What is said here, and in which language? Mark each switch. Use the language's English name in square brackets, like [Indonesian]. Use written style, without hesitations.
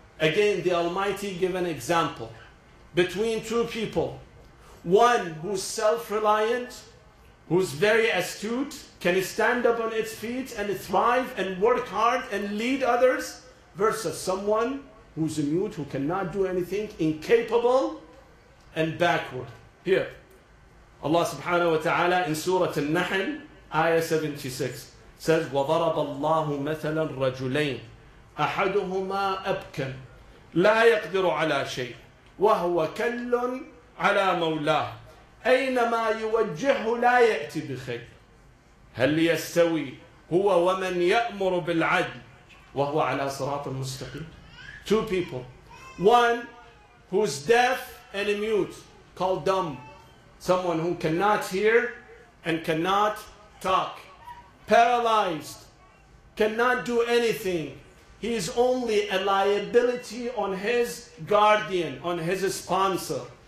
[English] Again, the Almighty gave an example. Between two people, one who's self-reliant, who's very astute, can stand up on its feet and thrive and work hard and lead others, versus someone who's a mute, who cannot do anything, incapable and backward. Here, Allah subhanahu wa ta'ala in Surah Al-Nahl, Ayah 76, says, [Arabic] وَضَرَبَ اللَّهُ مَثَلًا رَجُلَيْنِ أَحَدُهُمَا أَبْكَمْ لَا يَقْدِرُ عَلَى شَيْءٍ وَهُوَ كَلٌّ عَلَى مَوْلَاهُ أَيْنَمَا يُوَجِّهُ لَا يَأْتِ بِخَيْرٍ هَلْ يَسْتَوِي هُوَ وَمَنْ يَأْمُرُ بِالْعَدْلِ وَهُوَ عَلَى صِرَاطٍ مُسْتَقِيمٍ. [English] Two people. One who's deaf and mute, called dumb. Someone who cannot hear and cannot talk. Paralyzed. Cannot do anything. He is only a liability on his guardian, on his sponsor.